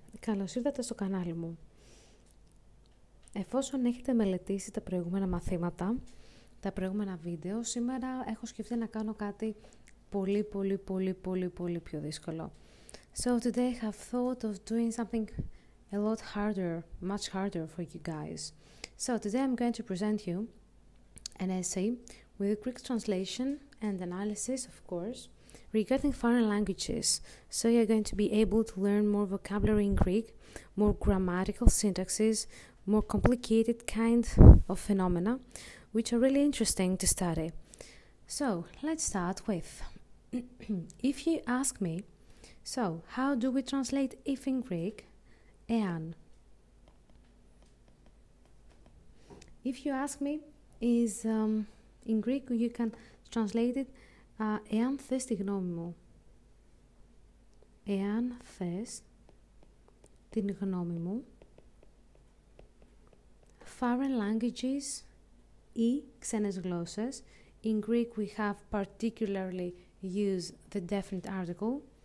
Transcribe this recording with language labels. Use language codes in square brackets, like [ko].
[el] Καλώς ήρθατε στο κανάλι μου. Εφόσον έχετε μελετήσει τα προηγούμενα μαθήματα, τα προηγούμενα βίντεο, σήμερα έχω σκεφτεί να κάνω κάτι πολύ, πολύ, πολύ, πολύ, πολύ πιο δύσκολο. [en] So today I have thought of doing something a lot harder, much harder for you guys. So today I'm going to present you an essay with a quick translation and analysis, of course, regarding foreign languages, so you're going to be able to learn more vocabulary in Greek, more grammatical syntaxes, more complicated kind of phenomena, which are really interesting to study. So, let's start with, if you ask me, so, how do we translate if in Greek, εάν? If you ask me, is in Greek, you can translate it [el] εάν θες τη γνώμη μου. Εάν θες την γνώμη μου. [en] Foreign languages [el] ή ξένες γλώσσες. [en] In Greek we have particularly used the definite article.